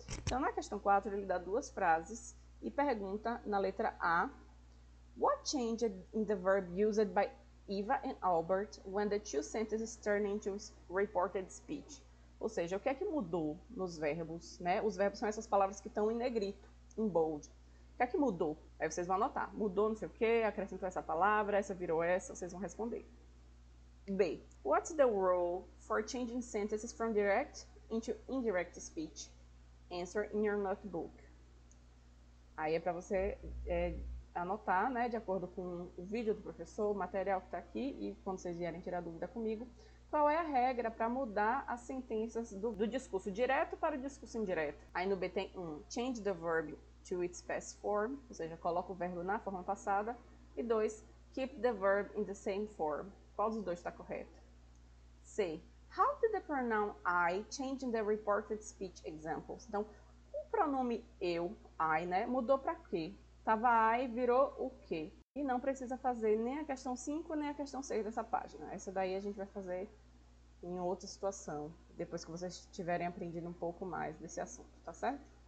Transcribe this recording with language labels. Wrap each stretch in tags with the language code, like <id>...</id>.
<pt>Então, na questão 4, ele dá duas frases e pergunta na letra A:</pt> <en>What changed in the verb used by Eva and Albert when the two sentences turn into reported speech?</en> <pt>Ou seja, o que é que mudou nos verbos, né? Os verbos são essas palavras que estão em negrito, em bold. O que é que mudou? Aí vocês vão anotar. Mudou não sei o quê, acrescentou essa palavra, essa virou essa, vocês vão responder. B.</pt> <en>What's the rule for changing sentences from direct into indirect speech? Answer in your notebook.</en> <pt>Aí é para você anotar, né, de acordo com o vídeo do professor, o material que está aqui, e quando vocês vierem tirar dúvida comigo, qual é a regra para mudar as sentenças do discurso direto para o discurso indireto. Aí no B tem um,</pt> <en>change the verb to its past form,</en> <pt>ou seja, coloca o verbo na forma passada, e dois,</pt> <en>keep the verb in the same form.</en> <pt>Qual dos dois está correto? C.</pt> <en>How did the pronoun I change in the reported speech examples?</en> <pt>Então, o pronome eu, I, né, mudou para quê? Tava I, virou o quê? E não precisa fazer nem a questão 5, nem a questão 6 dessa página. Essa daí a gente vai fazer em outra situação, depois que vocês tiverem aprendido um pouco mais desse assunto, tá certo?</pt>